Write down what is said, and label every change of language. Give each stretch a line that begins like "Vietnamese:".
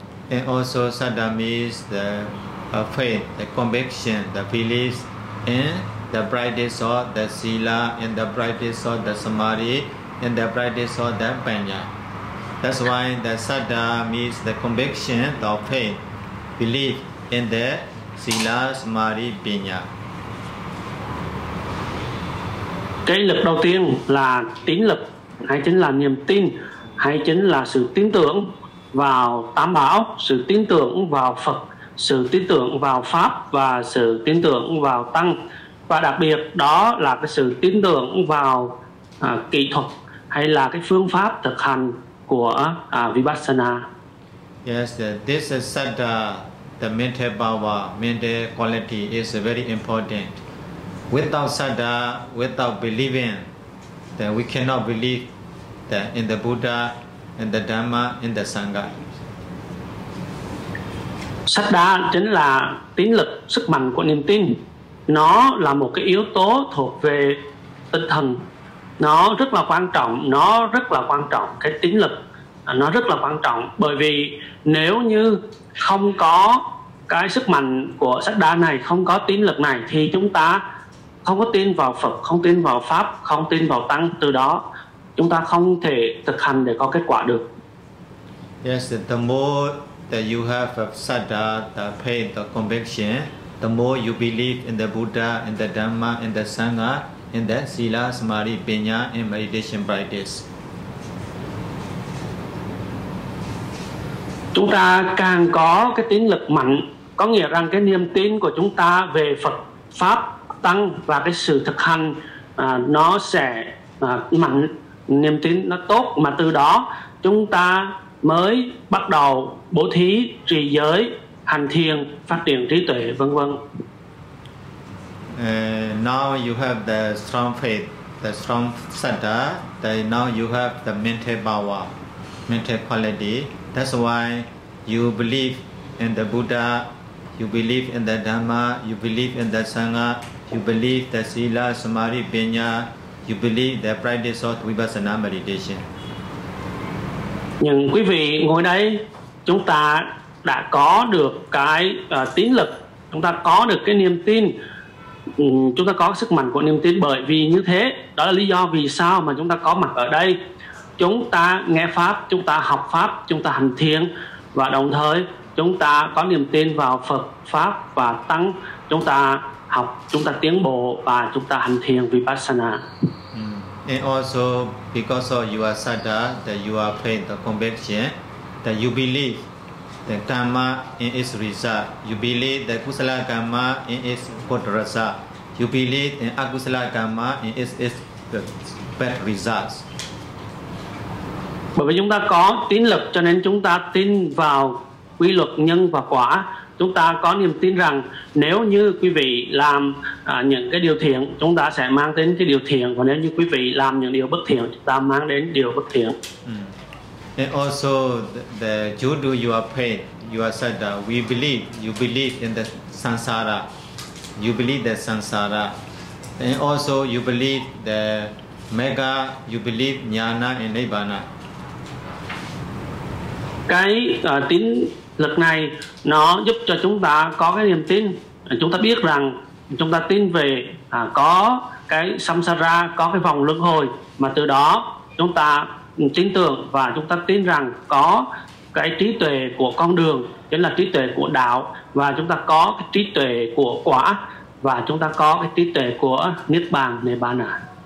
English: And also Saddha means the faith, the conviction, the belief in the practice of the Sila, in the practice of the Samadhi, in the practice of the Panya. That's why the Saddha means the conviction of faith, belief in the Sila, Samadhi, Panya.
Vietnamese: Cái lực đầu tiên là tín lực, hay chính là niềm tin, hay chính là sự tin tưởng vào Tam Bảo, sự tin tưởng vào Phật, sự tin tưởng vào Pháp và sự tin tưởng vào Tăng. Và đặc biệt đó là cái sự tin tưởng vào kỹ thuật hay là cái phương pháp thực hành của Vipassana.
English: Yes, this is Saddha, the mental power, mental quality is very important. Without Saddha, without believing, then we cannot believe that in the Buddha, in the Dhamma, in the Sangha.
Vietnamese: Saddha chính là tín lực, sức mạnh của niềm tin. Nó là một cái yếu tố thuộc về tinh thần. Nó rất là quan trọng, nó rất là quan trọng, cái tín lực. Nó rất là quan trọng bởi vì nếu như không có cái sức mạnh của Saddha này, không có tín lực này thì chúng ta không có tin vào Phật, không tin vào Pháp, không tin vào Tăng. Từ đó chúng ta không thể thực hành để có kết quả được.
English: Yes, the more that you have a Saddha, the faith, the conviction, the more you believe in the Buddha, in the Dhamma, in the Sangha, in the Sila, Samadhi, Panya, and meditation practice.
Vietnamese: Chúng ta càng có cái tín lực mạnh, có nghĩa rằng cái niềm tin của chúng ta về Phật, Pháp, Tăng và cái sự thực hành nó sẽ mạnh, niềm tin nó tốt, mà từ đó chúng ta mới bắt đầu bố thí, trì giới, hành thiền, phát triển trí tuệ, vân vân.
English: Now you have the strong faith, the strong Saddha, then now you have the mental power, mental quality. That's why you believe in the Buddha, you believe in the Dhamma, you believe in the Sangha, you believe the Sila, Samadhi, Panya, you believe the practice of Vipassana meditation.
Vietnamese: Những quý vị ngồi đây, chúng ta đã có được cái tín lực, chúng ta có được cái niềm tin, chúng ta có sức mạnh của niềm tin bởi vì như thế. Đó là lý do vì sao mà chúng ta có mặt ở đây. Chúng ta nghe Pháp, chúng ta học Pháp, chúng ta hành thiền và đồng thời chúng ta có niềm tin vào Phật, Pháp và Tăng. Chúng ta học, chúng ta tiến bộ và chúng ta hành thiền Vipassana.
English: And also because of your Saddha, that you are faith, the conviction, that you believe the Dhamma in its result, you believe the Kusala Dhamma in its good result, you believe the Akusala Dhamma in its bad results.
Vietnamese: Bởi vì chúng ta có tín lực cho nên chúng ta tin vào quy luật nhân và quả. Chúng ta có niềm tin rằng nếu như quý vị làm những cái điều thiện, chúng ta sẽ mang đến cái điều thiện. Và nếu như quý vị làm những điều bất thiện, chúng ta mang đến điều bất thiện.
English: And also, due to your faith, your Saddha, we believe, you believe in the samsara. You believe the samsara. And also, you believe the mega, you believe jnana and nibbana.
Vietnamese: Cái tín lực này nó giúp cho chúng ta có cái niềm tin, chúng ta biết rằng chúng ta tin về có cái samsara, có cái vòng luân hồi, mà từ đó chúng ta tin tưởng và chúng ta tin rằng có cái trí tuệ của con đường, chính là trí tuệ của đạo, và chúng ta có cái trí tuệ của quả, và chúng ta có cái trí tuệ của niết bàn, nibbana.